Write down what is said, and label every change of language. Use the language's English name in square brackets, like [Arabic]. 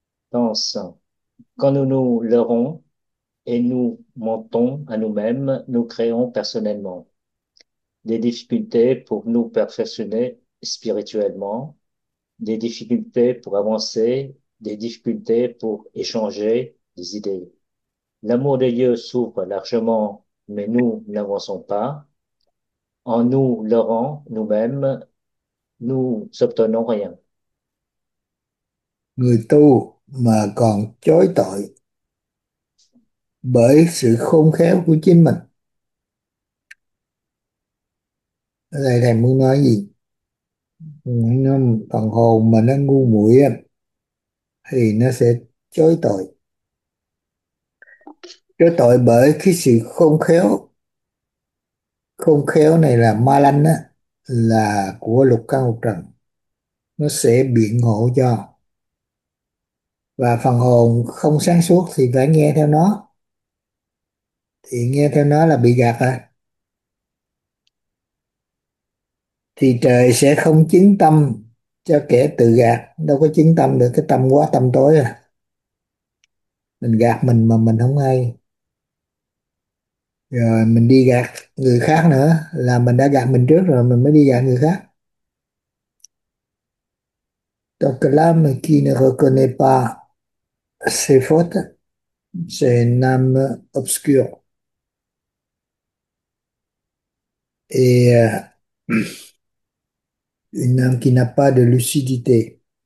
[French] Pense, quand nous nous leurrons et nous mentons à nous-mêmes, nous créons personnellement des difficultés pour nous perfectionner spirituellement, des difficultés pour avancer, des difficultés pour échanger des idées. L'amour de Dieu s'ouvre largement, mais nous n'avançons pas. En nous leurrant nous-mêmes, nous n'obtenons rien. [Vietnamese] Người tu mà còn chối tội bởi sự khôn khéo của chính mình. Ở đây thầy muốn nói gì? Nó phần hồn mà nó ngu muội thì nó sẽ chối tội. Chối tội bởi cái sự khôn khéo. Khôn khéo này là ma lanh á, là của lục căn lục trần. Nó sẽ biện hộ cho. Và phần hồn không sáng suốt thì phải nghe theo nó, thì nghe theo nó là bị gạt rồi. Thì trời sẽ không chứng tâm cho kẻ tự gạt, đâu có chứng tâm được, cái tâm quá tâm tối à, mình gạt mình mà mình không hay, rồi mình đi gạt người khác nữa là mình đã gạt mình trước rồi, mình mới đi gạt người khác. [French] Donc là khi ne reconnaît pas ses fautes, ses âmes obscures. Et une âme qui n'a pas de lucidité.